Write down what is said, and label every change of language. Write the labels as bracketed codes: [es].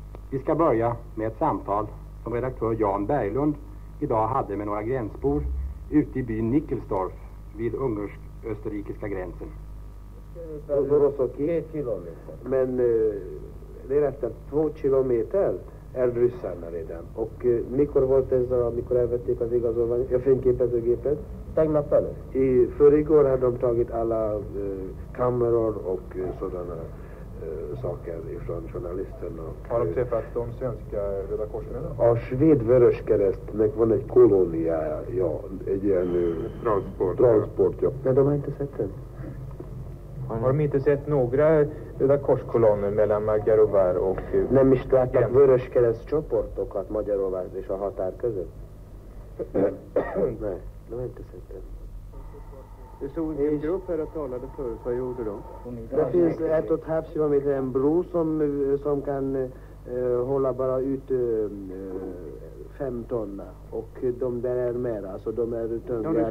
[sv] Vi ska börja med ett samtal som redaktör Jan Berglund idag hade med några gränsbor ute i byn Nickelsdorf vid ungersk-österrikiska gränsen. Det var så 3 kilometer. Men det är efter 2 kilometer är ryssarna redan. [hu] Och mikor volt ez a, mikor elvették az igazolvány, a fényképezőgépet? Tegnap előtt. [sv] I förrigår hade de tagit alla kameror och sådana saker från journalisterna. Har de träffat de svenska Röda korsmännen? [hu] Ja, Svedvöröskerestnek van egy kolóniája, ja, egy ilyen transport, ja. [sv] Men de har inte sett den. Har de inte sett några röda korskolonner mellan Magyarovar och... [hu] Nem is láttak vöröskeresztcsoportokat Magyarovar és a határ között? [sv] Nej, de har inte sett det. Det stod en grupp här och talade förut, vad gjorde de? Det finns 1,5 kilometer en bro som kan hålla bara ut 5 ton. Och de där är mer, alltså de är tungare.